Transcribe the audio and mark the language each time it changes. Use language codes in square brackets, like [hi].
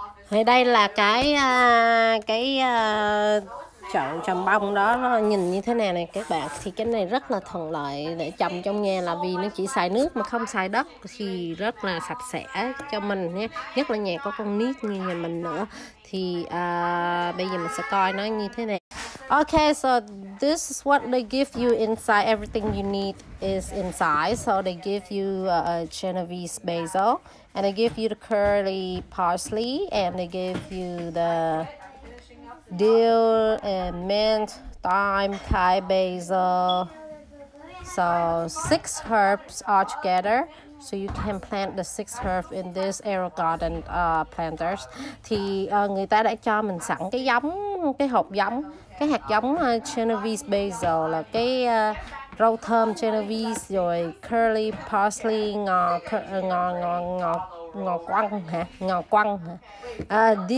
[vi] Thì đây là cái chậu trồng bông đó, nó nhìn như thế này này các bạn. Thì cái này rất là thuận lợi để trồng trong nhà, là vì nó chỉ xài nước mà không xài đất, thì rất là sạch sẽ cho mình nhé. Nhất là nhà có con nít như nhà mình nữa. Thì bây giờ mình sẽ coi nó như thế này. [en] Okay, so this is what they give you inside. Everything you need is inside. So they give you a Genovese basil, and they give you the curly parsley, and they give you the dill and mint, thyme, Thai basil. So six herbs all together. So you can plant the six herbs in this aero garden planters. [vi] Thì người ta đã cho mình sẵn cái giống, cái hộp giống, cái hạt giống Genovese basil, là cái rau thơm Genovese, rồi curly parsley, ngò quăng hả?